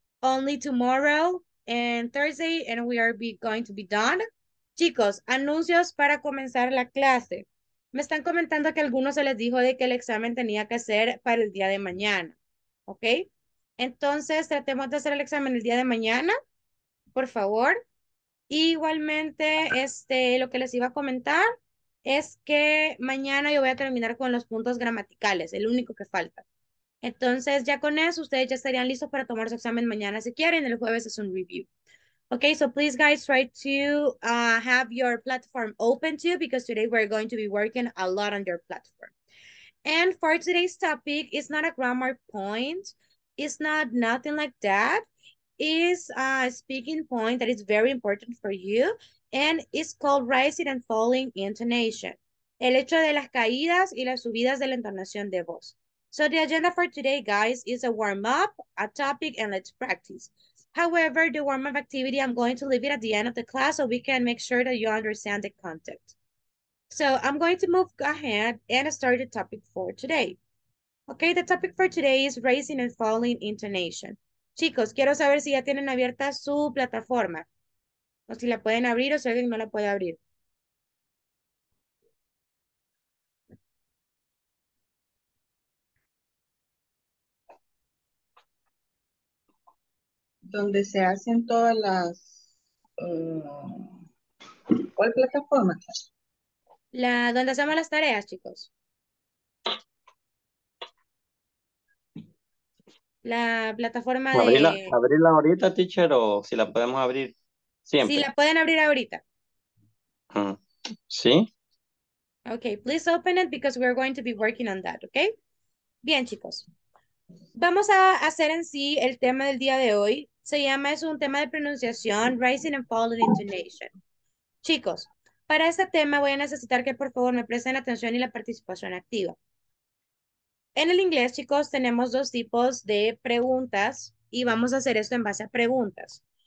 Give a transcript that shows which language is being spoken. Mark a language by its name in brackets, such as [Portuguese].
[English] Only tomorrow and Thursday, and we are going to be done. [Spanish] Chicos, anuncios para comenzar la clase. Me están comentando que a algunos se les dijo de que el examen tenía que ser para el día de mañana, ¿ok? Entonces, tratemos de hacer el examen el día de mañana, por favor. Igualmente, lo que les iba a comentar es que mañana yo voy a terminar con los puntos gramaticales, el único que falta. Entonces, ya con eso, ustedes ya estarían listos para tomar su examen mañana si quieren. El jueves es un review. [English] Okay, so please, guys, try to have your platform open too, because today we're going to be working a lot on your platform. And for today's topic, it's not a grammar point, it's not nothing like that. Is a speaking point that is very important for you, and it's called rising and falling intonation. [Spanish] El hecho de las caídas y las subidas de la entonación de voz. [English] So the agenda for today, guys, is a warm-up, a topic, and let's practice. However, the warm-up activity, I'm going to leave it at the end of the class so we can make sure that you understand the content. So I'm going to move ahead and start the topic for today. Okay, the topic for today is rising and falling intonation. [Spanish] Chicos, quiero saber si ya tienen abierta su plataforma. O si la pueden abrir o si alguien no la puede abrir. Donde se hacen todas las ¿cuál plataforma? Donde hacemos las tareas, chicos. La plataforma de... ¿Abrirla ahorita, teacher, o si la podemos abrir Sí, siempre? la pueden abrir ahorita. Sí. [English] Okay, please open it because we're going to be working on that, okay? [Spanish] Bien, chicos. Vamos a hacer en sí el tema del día de hoy. Se llama, es un tema de pronunciación, [English] Rising and Falling Intonation. [Spanish] Chicos, para este tema voy a necesitar que por favor me presten atención y la participación activa. En el inglés, chicos, tenemos dos tipos de preguntas y vamos a hacer esto en base a preguntas.